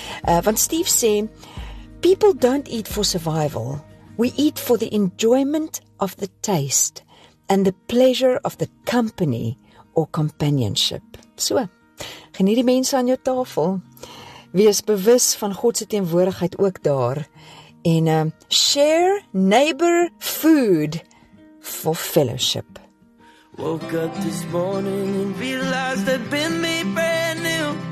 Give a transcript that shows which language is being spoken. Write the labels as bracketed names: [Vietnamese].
[English] Want Steve sê, people don't eat for survival. We eat for the enjoyment of the taste and the pleasure of the company or companionship. [Afrikaans] So, geniet die mense aan jou tafel. Wees bewus van God se teenwoordigheid ook daar. [English] En share neighbor food for fellowship. Woke up this morning and realized I'd been made brand new.